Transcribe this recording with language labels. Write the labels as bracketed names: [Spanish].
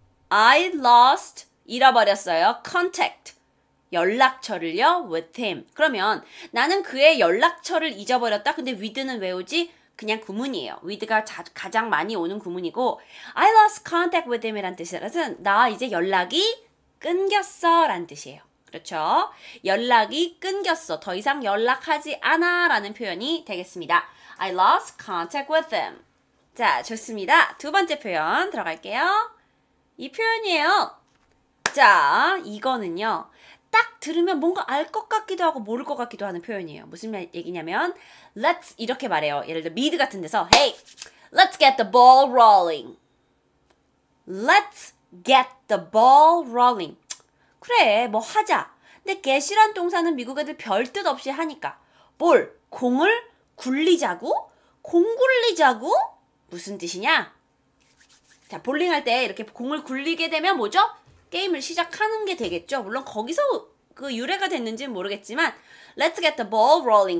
[English] I lost, [Korean] 잃어버렸어요. [English] Contact. [Korean] 연락처를요, [English] with him. [Korean] 그러면 나는 그의 연락처를 잊어버렸다. 근데 with는 외우지? 그냥 구문이에요. with가 가장 많이 오는 구문이고, [English] I lost contact with him [Korean] 이란 뜻은 나 이제 연락이 끊겼어 라는 뜻이에요. 그렇죠? 연락이 끊겼어. 더 이상 연락하지 않아 라는 표현이 되겠습니다. [English] I lost contact with him. [Korean] 자, 좋습니다. 두 번째 표현 들어갈게요. 이 표현이에요. 자, 이거는요. 딱 들으면 뭔가 알 것 같기도 하고 모를 것 같기도 하는 표현이에요. 무슨 얘기냐면 Let's 이렇게 말해요. 예를 들어 미드 같은 데서 [English] Hey, let's get the ball rolling. Let's get the ball rolling. [Korean] 그래, 뭐 하자. 근데 get이란 동사는 미국 애들 별뜻 없이 하니까 볼, 공을 굴리자고? 공 굴리자고? 무슨 뜻이냐? 자, 볼링할 때 이렇게 공을 굴리게 되면 뭐죠? 게임을 시작하는 게 되겠죠. 물론 거기서 그 유래가 됐는지는 모르겠지만 [English] Let's get the ball rolling.